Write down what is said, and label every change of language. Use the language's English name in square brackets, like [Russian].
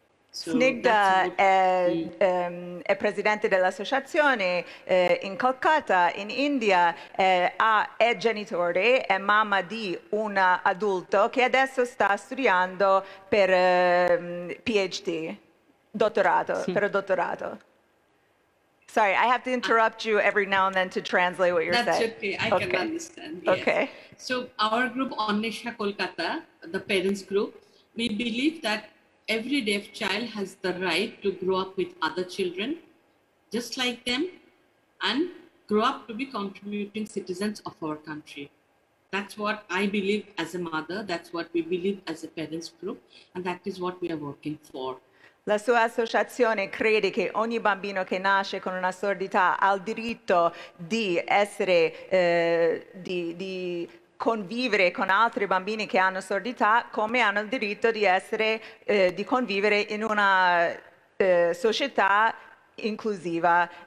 [Italian] So Snigdha è presidente dell'associazione in Calcutta, in India, è genitore, è mamma di un adulto che adesso sta studiando per PhD, dottorato, sì. Per dottorato. [English] Sorry, I have to interrupt you every now and then to translate what you're That's saying. That's okay, can understand. Yes. Okay. So our group, Onnesha Kolkata, the parents group, we believe that every deaf child has the right to grow up with other children just like them and grow up to be contributing citizens of our country. That's what I believe as a mother, that's what we believe as a parents group, and that is what we are working for. [Italian] La sua associazione crede che ogni bambino che nasce con una sordità ha il diritto di essere, di convivere con altri bambini che hanno sordità, come hanno il diritto di essere, di convivere in una società inclusiva.